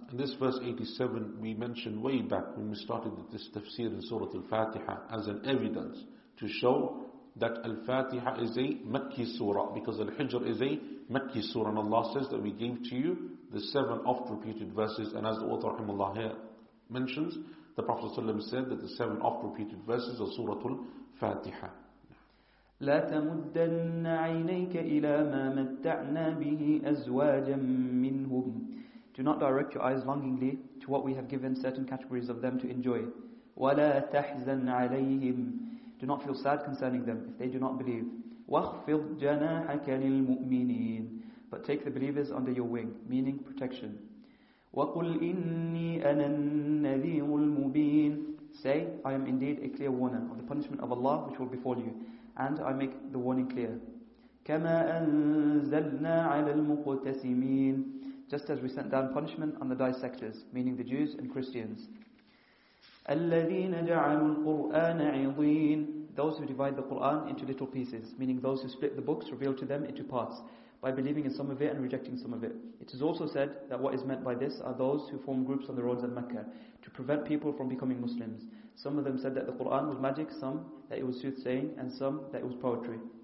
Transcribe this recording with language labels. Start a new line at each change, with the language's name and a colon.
English: In this verse 87, we mentioned way back when we started this tafsir in Surah Al-Fatiha as an evidence to show that Al-Fatiha is a Makki surah, because Al-Hijr is a Makki surah. And Allah says that we gave to you the seven oft-repeated verses, and as the author rahimahullah here mentions, the Prophet ﷺ said that the seven oft-repeated verses are Surah Al-Fatiha.
Arabic: لا تمدن عينيك إلى ما متعنا به أزواجا منهم.
English: Do not direct your eyes longingly to what we have given certain categories of them to enjoy.
Arabic: ولا تحزن عليهم.
English: Do not feel sad concerning them if they do not believe.
Arabic: واخفض جناحك للمؤمنين.
English: But take the believers under your wing, meaning protection.
Arabic: وقل إني أنا النذير المبين.
English: Say, I am indeed a clear warner of the punishment of Allah which will befall you, and I make the warning clear.
Arabic: كما أنزلنا على المقتسمين.
English: Just as we sent down punishment on the dissectors, meaning the Jews and Christians.
Arabic: الذين جعلوا القرآن عضين.
English: Those who divide the Quran into little pieces, meaning those who split the books revealed to them into parts, by believing in some of it and rejecting some of it. It is also said that what is meant by this are those who form groups on the roads of Mecca to prevent people from becoming Muslims. Some of them said that the Quran was magic, some that it was soothsaying, and some that it was poetry.